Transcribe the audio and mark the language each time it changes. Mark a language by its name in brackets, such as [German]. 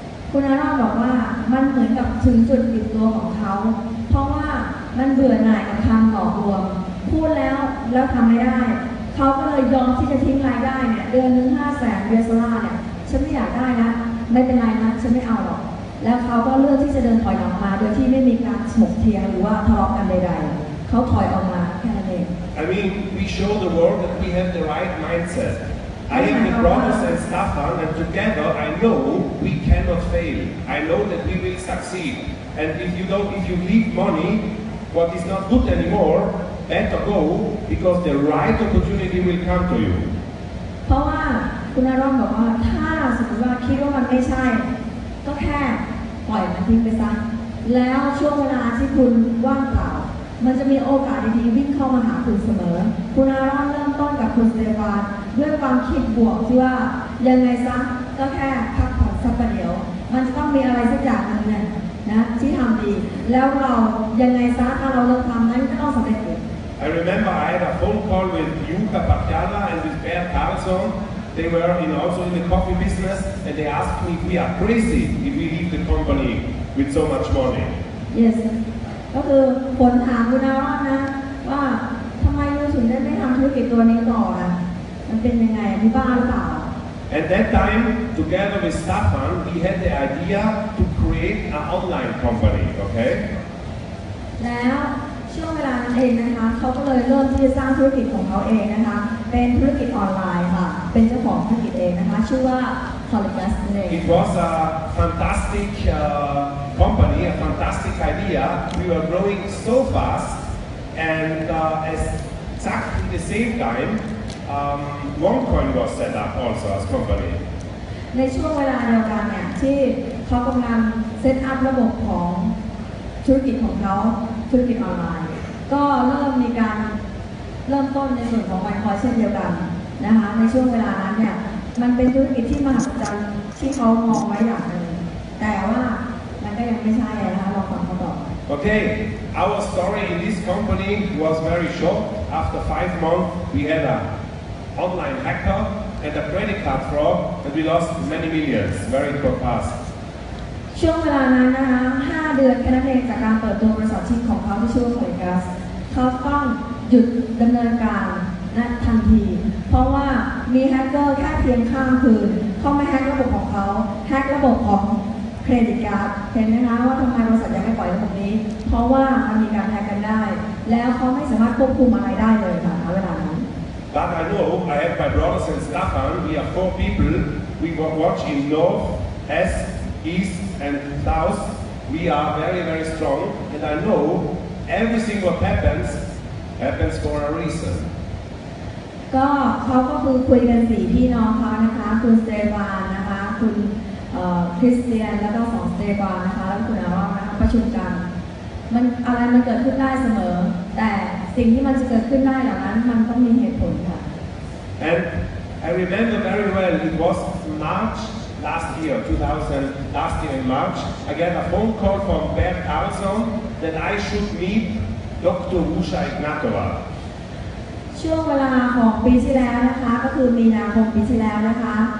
[Thai] คุณอารอนบอกว่ามันเหมือนกับถึงจุดหยุดตัวของเขาเพราะว่ามันเบื่อหน่ายกับคำหลอกลวงพูดแล้วทำไม่ได้เขาก็เลยยอมที่จะทิ้งรายได้เนี่ยเดือนนึง500,000 US เนี่ยฉันไม่อยากได้นะไม่เป็นไรนะฉันไม่เอาหรอกแล้วเขาก็เลือกที่จะเดินถอยออกมาโดยที่ไม่มีการถกเถียงหรือว่าทะเลาะกันใดๆเขาถอยออกมาแค่นั้นเอง [English] I mean we show the world that we have the right mindset I have the brothers and Staffan and together I know we cannot fail I know that we will succeed and if you leave money what is not good anymore better go because the right opportunity will come to you [Thai] เพราะว่าคุณอารอนบอกว่าถ้าสมมติว่าคิดว่ามันไม่ใช่ก็แค่ปล่อยมันทิ้งไปซะแล้วช่วงเวลาที่คุณว่างเปล่ามันจะมีโอกาสดีๆวิ่งเข้ามาหาคุณเสมอคุณอารอนเริ่มต้นกับคุณสเตฟานด้วยความคิดบวกที่ว่ายังไงซะก็แค่พักผ่อนสักประเดี๋ยวมันจะต้องมีอะไรสักอย่างนึงเนี่ยนะที่ทำดีแล้วเรายังไงซะถ้าเราเลิกทำนั้นก็ต้องสำเร็จ [English] I remember I had a phone call with Yuka Patiala and with Bert Carlson. They were in also in the coffee business and they asked me if we are crazy if we leave the company with so much money. Yes. [Thai] ก็คือผลถามคุณอารอนนะว่าทำไมยูถึงได้ไม่ทำธุรกิจตัวนี้ต่ออ่ะมันเป็นยังไงมีบ้าหรือเปล่า [English] At that time together with Staffan we had the idea to create an online company okay [Thai] แล้วช่วงเวลานั้นเองนะคะเขาก็เลยเริ่มที่จะสร้างธุรกิจของเขาเองนะคะเป็นธุรกิจออนไลน์ค่ะเป็นเจ้าของธุรกิจเองนะคะชื่อว่า [English] It was a fantastic company, a fantastic idea. We were growing so fast, and exactly the same time, OneCoin was set up also as company. [Thai] ในช่วงเวลาเดียวกันเนี่ยที่เขากำลังเซตอัพระบบของธุรกิจของเขาธุรกิจออนไลน์ก็เริ่มมีการเริ่มต้นในส่วนของ OneCoin เช่นเดียวกันนะคะในช่วงเวลานั้นเนี่ยม มันเป็นธุรกิจที่มหัศจรรย์ที่เขามองไว้อย่างนึงแต่ว่ามันก็ยังไม่ใช่นะคะเราฟังเขาบอก [English] Okay, our story in this company was very short. After 5 months, we had an online hacker and a credit card fraud, and we lost many millions, very fast. [Thai] ช่วงเวลานั้นนะคะ5 เดือนแค่นั้นเองจากการเปิดตัวบริษัทชิปของเขาที่ชื่อว่าโฟกัสเขาต้องหยุดดำเนินการนั่นทันทีเพราะว่ามีแฮกเกอร์แค่เพียงข้ามคืนเขาไม่แฮกระบบของเขาแฮกระบบของเครดิตการ์ดเห็นไหมคะว่าทำไมบริษัทยังไม่ปล่อยระบบนี้เพราะว่ามันมีการแฮกกันได้แล้วเขาไม่สามารถควบคุมอะไรได้เลยค่ะณเวลานั้น [English] But I know I have my brothers and Stefan. We are 4 people. We watch in North, S, East, and South. We are very, very strong. And I know everything what happens for a reason. [Thai] ก็เขาก็คือคุยกัน4 พี่น้องเขานะคะคุณสเตฟานนะคะคุณคริสเตียนแล้วก็สองสเตฟานนะคะแล้วคุณอาว่านะคะประชุมกันมันอะไรมันเกิดขึ้นได้เสมอแต่สิ่งที่มันจะเกิดขึ้นได้เหล่านั้นมันต้องมีเหตุผลค่ะ [English] And I remember very well it was March last year in March I got a phone call from Bert Carlson that I should meet Dr. Usha Ignatova [Thai] ช่วงเวลาของปีที่แล้วนะคะก็คือมีนาคมปีที่แล้วนะคะ